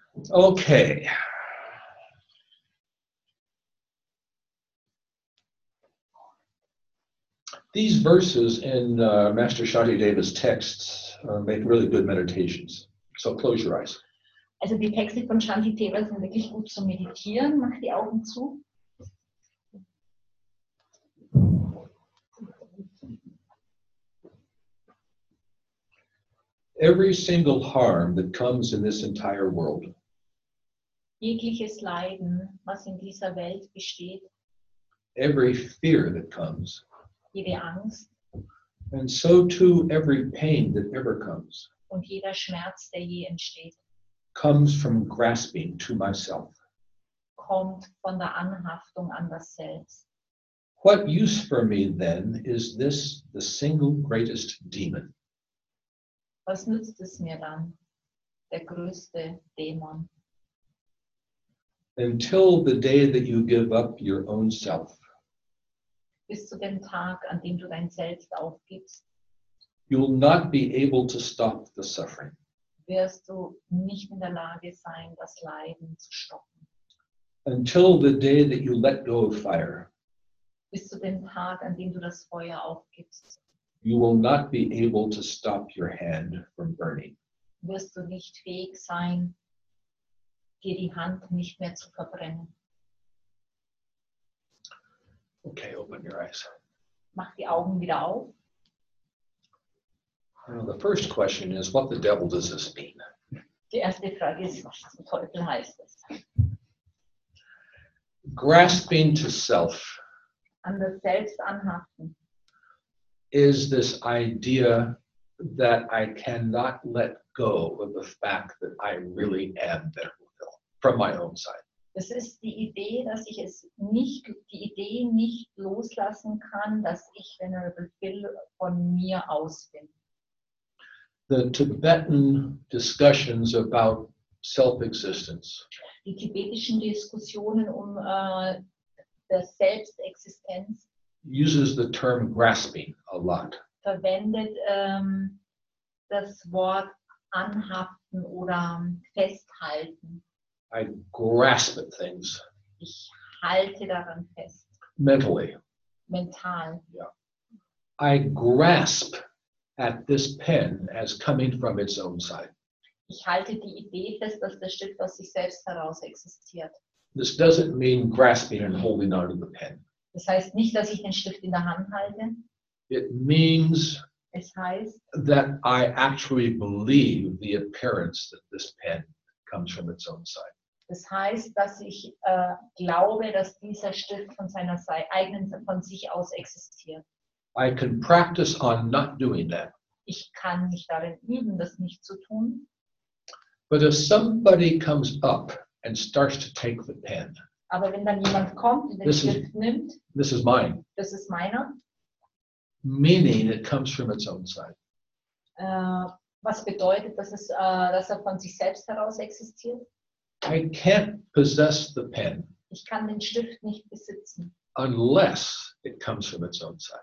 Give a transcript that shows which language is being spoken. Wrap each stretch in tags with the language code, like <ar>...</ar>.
<en>Okay. These verses in Master Shantideva's texts make really good meditations. So close your eyes.</en> <de>Also die Texte von Shantideva sind wirklich gut zum Meditieren. Mach die Augen zu.</de> <en>Every single harm that comes in this entire world.</en> <de>Jegliches Leiden, was in dieser Welt besteht.</de> <en>Every fear that comes.</en> <de>Jede Angst.</de> <en>And so too every pain that ever comes.</en> <de>Und jeder Schmerz, der je entsteht.</de> <en>Comes from grasping to myself.</en> <de>Kommt von der Anhaftung an das Selbst.</de> <en>What use for me then is this the single greatest demon?</en> <de>Was nützt es mir dann, der größte Dämon?</de> <en>Until the day that you give up your own self.</en> <de>Bis zu dem Tag, an dem du dein Selbst aufgibst.</de> <en>You'll not be able to stop the suffering.</en> <de>Wirst du nicht in der Lage sein, das Leiden zu stoppen.</de> <en>Until the day that you let go of fire.</en> <de>Bis zu dem Tag, an dem du das Feuer aufgibst.</de> <en>You will not be able to stop your hand from burning.</en> <de>Wirst du nicht fähig sein, dir die Hand nicht mehr zu verbrennen.</de> <en>Okay, open your eyes.</en> <de>Mach die Augen wieder auf.</de> <en>Well, the first question is, what the devil does this mean?</en> <de>Die erste Frage ist, was zum Teufel heißt das?</de> <en>Grasping to self.</en> <de>An das Selbst anhaften.</de> <en>Is this idea that I cannot let go of the fact that I really am there from my own side.</en> <de>Das ist die Idee, dass ich es nicht, die Idee nicht loslassen kann, dass ich vulnerable bin, von mir aus bin.</de> <en>The Tibetan discussions about self-existence.</en> <de>Die tibetischen Diskussionen um der Selbstexistenz.</de> <en>Uses the term grasping a lot.</en> <de>Verwendet das Wort anhaften oder festhalten.</de> <en>I grasp at things.</en> <de>Ich halte daran fest.</de> <en>Mentally.</en> <de>Mental.</de> <en>Yeah. I grasp at this pen as coming from its own side.</en> <de>Ich halte die Idee fest, dass das Stift aus sich selbst heraus existiert.</de> <en>This doesn't mean grasping and holding onto the pen.</en> <de>Das heißt nicht, dass ich den Stift in der Hand halte.</de> <en>It means</en> <de>es heißt,</de> <en>that I actually believe the appearance that this pen comes from its own side.</en> <de>Das heißt, dass ich glaube, dass dieser Stift von seiner eigenen von sich aus existiert.</de> <en>I can practice on not doing that.</en> <de>Ich kann mich darin üben, das nicht zu tun.</de> <en>But if somebody comes up and starts to take the pen.</en> <de>Aber wenn dann jemand kommt und den Stift nimmt,</de> <en>this is mine.</en> <de>Das ist meiner.</de> <en>Meaning it comes from its own side.</en> <de>Was bedeutet, dass es, dass er von sich selbst heraus existiert?</de> <en>I can't possess the pen.</en> <de>Ich kann den Stift nicht besitzen.</de> <en>Unless it comes from its own side.</en>